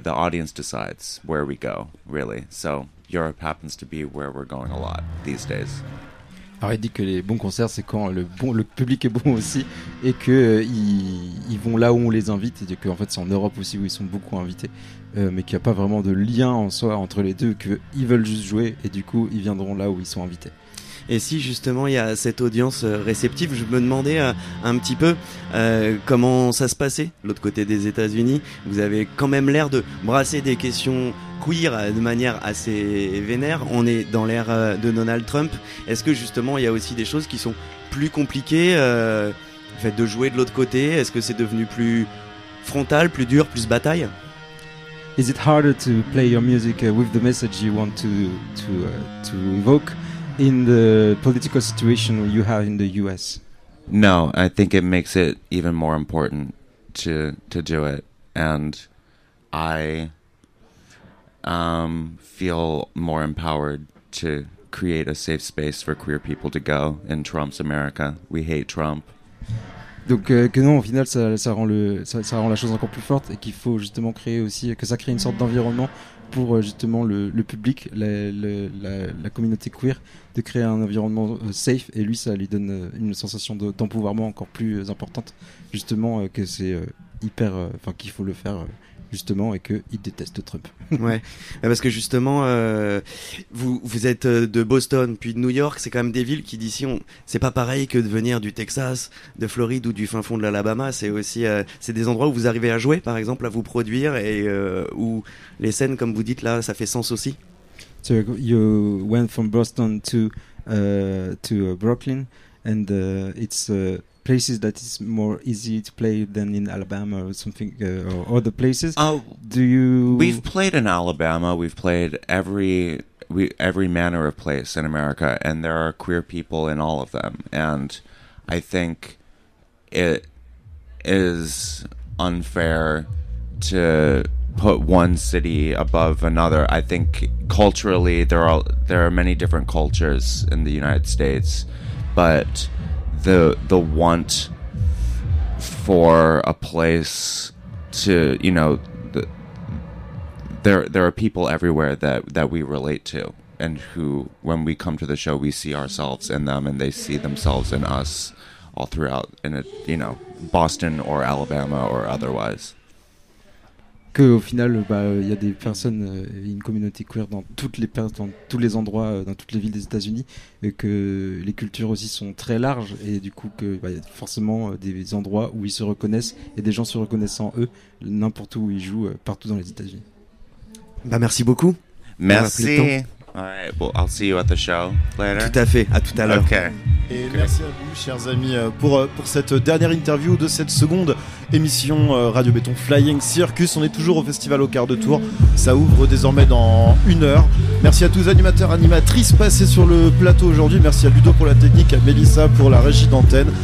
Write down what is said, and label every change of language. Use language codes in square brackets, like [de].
[en] The audience decides where we go, really. So Europe happens to be where we're going a lot these days. [fr] Alors il dit que les bons concerts, c'est quand le public est bon aussi, et que ils vont là où on les invite, et que en fait c'est en Europe aussi où ils sont beaucoup invités. Mais qu'il n'y a pas vraiment de lien en soi entre les deux, qu'ils veulent juste jouer et du coup ils viendront là où ils sont invités. Et si justement il y a cette audience réceptive, je me demandais un petit peu comment ça se passait l'autre côté des États-Unis. Vous avez quand même l'air de brasser des questions queer de manière assez vénère. On est dans l'ère de Donald Trump. Est-ce que justement il y a aussi des choses qui sont plus compliquées, le fait de jouer de l'autre côté, est-ce que c'est devenu plus frontal, plus dur, plus bataille? [en] Is it harder to play your music with the message you want to evoke in the political situation you have in the US? No, I think it makes it even more important to do it. And I feel more empowered to create a safe space for queer people to go in Trump's America. We hate Trump. [fr] Donc que non, au final ça rend la chose encore plus forte, et qu'il faut justement créer aussi, que ça crée une sorte d'environnement pour justement le public, la communauté queer, de créer un environnement safe, et lui ça lui donne une sensation d'empouvoirment encore plus importante, justement que c'est hyper, enfin qu'il faut le faire justement, et qu'il déteste Trump. Ouais, parce que justement, vous êtes de Boston, puis de New York, c'est quand même des villes qui, d'ici, c'est pas pareil que de venir du Texas, de Floride ou du fin fond de l'Alabama. C'est aussi c'est des endroits où vous arrivez à jouer, par exemple, à vous produire, et où les scènes, comme vous dites là, ça fait sens aussi. [en] So you went from Boston to Brooklyn, and it's... places that is more easy to play than in Alabama or something, or other places. We've played in Alabama. We've played every manner of place in America, and there are queer people in all of them. And I think it is unfair to put one city above another. I think culturally there are many different cultures in the United States, but the want for a place to, you know, there are people everywhere that we relate to, and who, when we come to the show, we see ourselves in them and they see themselves in us all throughout, in a, you know, Boston or Alabama or otherwise. [fr] Que au final, y a des personnes, une communauté queer dans tous les endroits, dans toutes les villes des États-Unis, et que les cultures aussi sont très larges, et du coup que y a forcément des endroits où ils se reconnaissent, et des gens se reconnaissent en eux, n'importe où ils jouent, partout dans les États-Unis. Bah merci beaucoup. Merci. [en] Alright, well, I'll see you at the show later. [fr] Tout à fait, à tout à l'heure. [en] Okay. [fr] Et merci à vous, chers amis, pour cette dernière interview de cette seconde émission Radio Béton Flying Circus. On est toujours au Festival au Quart de Tour. Ça ouvre désormais dans une heure. Merci à tous les animateurs, animatrices passés sur le plateau aujourd'hui. Merci à Ludo pour la technique, à Mélissa pour la régie d'antenne.